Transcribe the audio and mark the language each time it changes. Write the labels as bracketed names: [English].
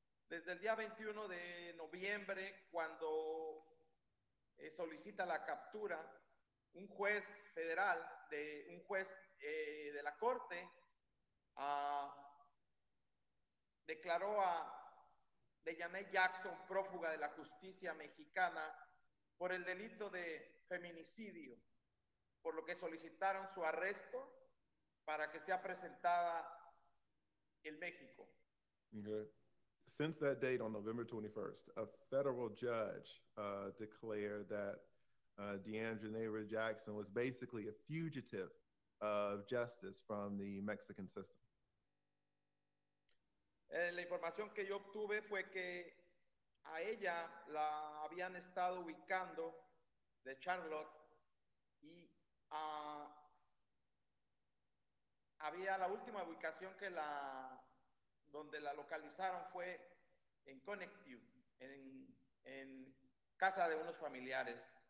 [Spanish] Desde el día 21 de noviembre, cuando solicita la captura, un juez federal, de la corte, declaró a Daejhanae Jackson prófuga de la justicia mexicana por el delito de feminicidio, por lo que solicitaron su arresto para que sea presentada en México. [English] Okay. Since that date on November 21st, a federal judge declared that Daejhanae Jackson was basically a fugitive of justice from the Mexican system. [Spanish] La información que yo obtuve fue que a ella la habían estado ubicando de Charlotte y había la última ubicación que la donde la localizaron fue en Connecticut, en casa de unos familiares.